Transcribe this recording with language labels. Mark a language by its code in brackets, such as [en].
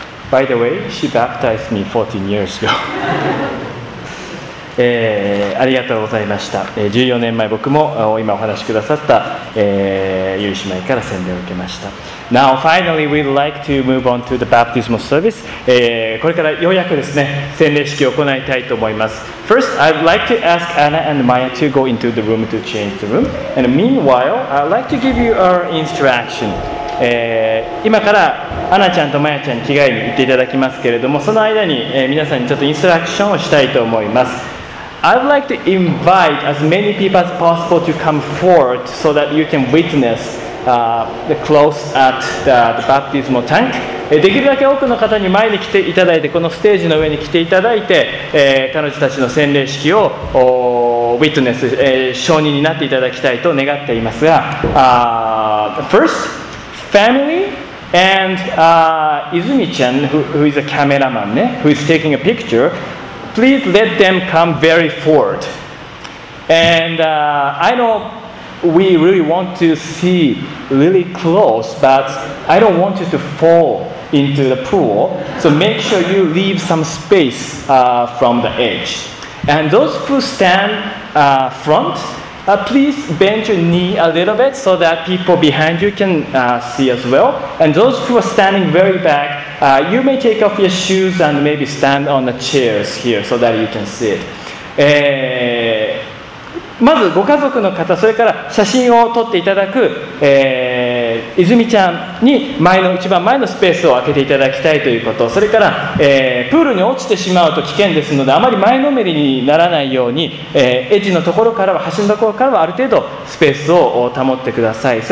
[en] By the way, she baptized me 14 years ago. [ja] ありがとうございました。14年前、僕も今お話しくださった、ユリ姉妹から洗礼を受けました。 [en] Now, finally, we'd like to move on to the baptismal service.、 [ja] これからようやくですね、洗礼式を行いたいと思います。 [en] First, I'd like to ask Anna and Maya to go into the room to change the room. And meanwhile, I'd like to give you our instruction. [ja] 今からアナちゃんとマヤちゃんに着替えに行っていただきますけれども、その間に、皆さんにちょっとインストラクションをしたいと思います。 [en] I'd like to invite as many people as possible to come forward so that you can witness the close at the baptismal tank. [ja] できるだけ多くの方に前に来ていただいて、このステージの上に来ていただいて、彼女たちの洗礼式をwitness、証人になっていただきたいと願っていますが、first. [en] Family and Izumi-chan, who is a cameraman, who is taking a picture, please let them come very forward. And I know we really want to see really close, but I don't want you to fall into the pool. So make sure you leave some space from the edge. And those who stand front,please bend your knee a little bit so that people behind you can see as well. And those who are standing very back, you may take off your shoes and maybe stand on the chairs here so that you can see it. [ja] まずご家族の方、それから写真を撮っていただく、泉ちゃんに前の一番前のスペースを空けていただきたいということ、それから、プールに落ちてしまうと危険ですので、あまり前のめりにならないように、エッジのところからは、端のところからはある程度スペースを保ってください。